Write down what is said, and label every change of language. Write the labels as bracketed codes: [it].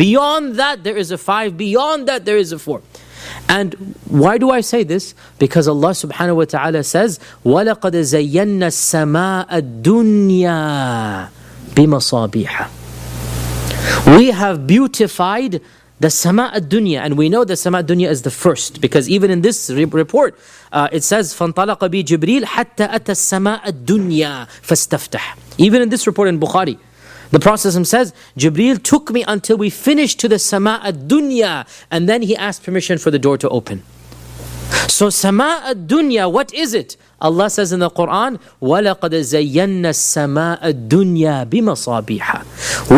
[en] Beyond that, there is a five. Beyond that, there is a four. And why do I say this? Because Allah subhanahu wa ta'ala says, [ar] وَلَقَدْ زَيَّنَّا السَّمَاءَ الدُّنْيَا بِمَصَابِيحَ. [en] We have beautified the Sama al-Dunya. And we know the Sama al-Dunya is the first. Because even in this report, it says, [ar] فَانْطَلَقَ بِي جِبْرِيلْ حَتَّى أَتَى السَّمَاءَ الدُّنْيَا فَاسْتَفْتَحْ. [en] Even in this report in Bukhari, the Prophet says, Jibreel took me until we finished to the Sama al-Dunya, and then he asked permission for the door to open. So Sama al-Dunya, what is it? Allah says in the Quran, [ar] وَلَقَدْ زَيَّنَّا السَّمَاءَ الدُّنْيَا بِمَصَابِيحَ.